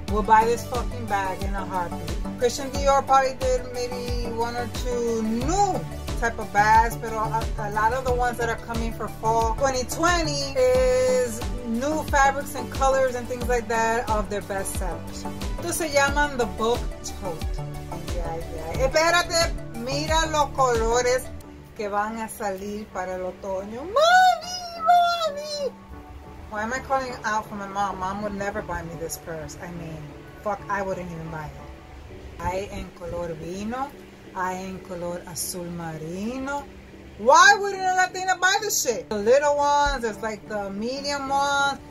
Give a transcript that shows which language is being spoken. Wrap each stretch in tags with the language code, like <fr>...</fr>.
<en>will buy this fucking bag in a heartbeat. Christian Dior probably did maybe one or two new type of bags, but a lot of the ones that are coming for fall 2020 is new fabrics and colors and things like that of their best sellers.</en> <es>Estos se llaman</es> <en>the book tote. Yeah, yeah.</en> <es>Espérate, mira los colores que van a salir para el otoño.</es> <en>Mommy, mommy! Why am I calling out for my mom? Mom would never buy me this purse. I mean, fuck, I wouldn't even buy it.</en> <es>I en color vino. I in color azul marino.</es> <en>Why wouldn't a Latina buy this shit? The little ones, it's like the medium ones.</en>